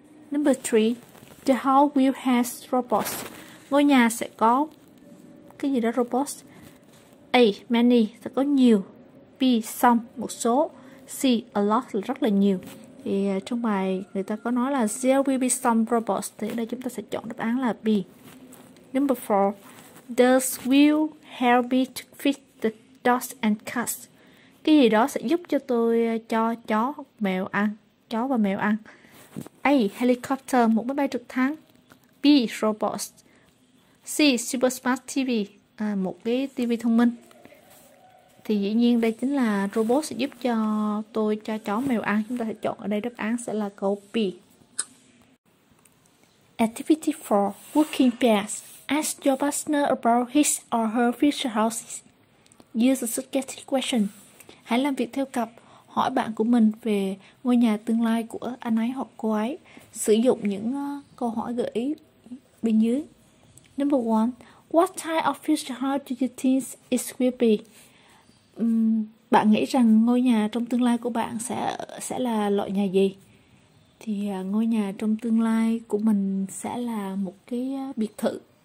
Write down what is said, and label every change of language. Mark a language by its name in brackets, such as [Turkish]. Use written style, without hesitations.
[English] Number 3. The house will have robots. [Vietnamese] Ngôi nhà sẽ có cái gì đó [English] robots. [Vietnamese] A. [English] Many, [Vietnamese] sẽ có nhiều. B. [English] Some, [Vietnamese] một số. C. [English] A lot, [Vietnamese] là rất là nhiều. Thì trong bài người ta có nói là [English] there will be some robots, [Vietnamese] thì ở đây chúng ta sẽ chọn đáp án là B. [English] Number 4. Does will help me to feed the dogs and cats. [Vietnamese] Cái gì đó sẽ giúp cho tôi cho chó mèo ăn, chó và mèo ăn. A. [English] Helicopter, [Vietnamese] một máy bay trực thăng. B. Robots. C. [English] Super smart TV, [Vietnamese] một cái TV thông minh. Thì dĩ nhiên đây chính là robot sẽ giúp cho tôi cho chó mèo ăn. Chúng ta sẽ chọn ở đây đáp án sẽ là câu B. [English] Activity 4. Working pairs. Ask your partner about his or her future houses. Use a suggestive question. [Vietnamese] Hãy làm việc theo cặp. Hỏi bạn của mình về ngôi nhà tương lai của anh ấy hoặc cô ấy. Sử dụng những câu hỏi gợi ý bên dưới. [English] Number 1. What type of future house do you think it will be? [Vietnamese] Bạn nghĩ rằng ngôi nhà trong tương lai của bạn sẽ là loại nhà gì? Thì ngôi nhà trong tương lai của mình sẽ là một cái biệt thự.